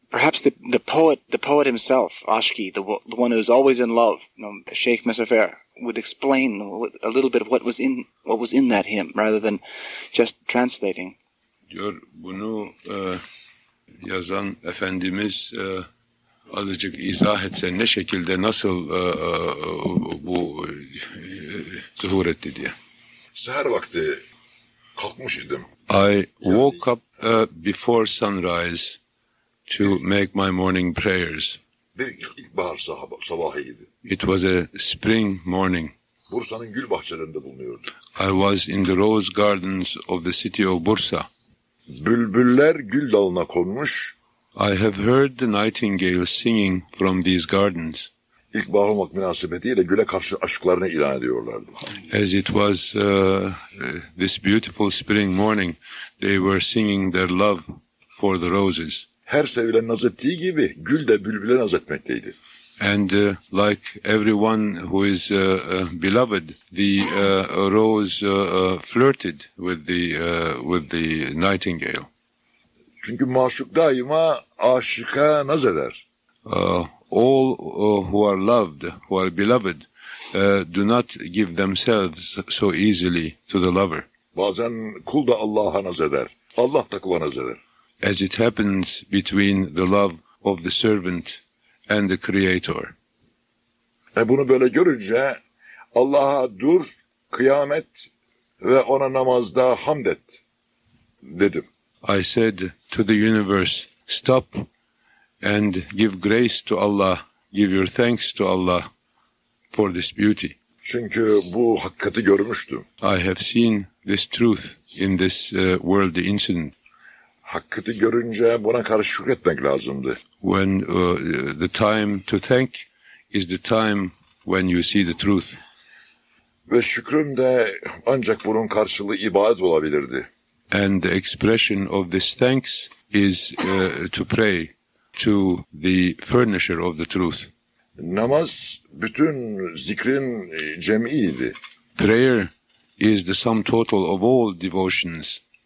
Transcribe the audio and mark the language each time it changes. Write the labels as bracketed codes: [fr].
[en] Perhaps the poet himself, Aşk-ı, the one who is always in love, you know, Şeyh Muzaffer, would explain a little bit of what was in that hymn, rather than just translating. [tr] Diyor, bunu yazan Efendimiz azıcık izah etse, ne şekilde, nasıl bu zuhur etti diye. Seher vakti kalkmış idim. [en] I woke up before sunrise to make my morning prayers. [tr] Bir ilkbahar sabahıydı. [en] It was a spring morning. [tr] Bursa'nın gül bahçelerinde bulunuyordu. [en] I was in the rose gardens of the city of Bursa. [tr] Bülbüller gül dalına konmuş. [en] I have heard the nightingale singing from these gardens. [tr] İlkbahar olmak münasebetiyle güle karşı aşklarını ilan ediyorlardı. [en] As it was this beautiful spring morning, they were singing their love for the roses. [tr] Her sevilen naz ettiği gibi gül de bülbüle naz etmekteydi. [en] And like everyone who is beloved, the rose flirted with the nightingale. [tr] Çünkü maşuk daima aşıka naz eder. [en] All who are loved, who are beloved, do not give themselves so easily to the lover. [tr] Bazen kul da Allah'a naz eder. Allah da kula naz eder. [en] As it happens between the love of the servant and the creator. [tr] Bunu böyle görünce Allah'a dur, kıyamet ve ona namazda hamd et dedim. [en] I said to the universe, stop and give grace to Allah, give your thanks to Allah for this beauty. [tr] Çünkü bu hakikati görmüştüm. [en] I have seen this truth in this worldly incident. [tr] Hakikati görünce buna karşı şükretmek lazımdı. [en] When the time to thank is the time when you see the truth. [tr] Ve şükrüm de ancak bunun karşılığı ibadet olabilirdi. [en] And the expression of this thanks is to pray to the furnisher of the truth. [tr] Namaz bütün zikrin cem'iydi. [en] Prayer is the sum total of all devotions.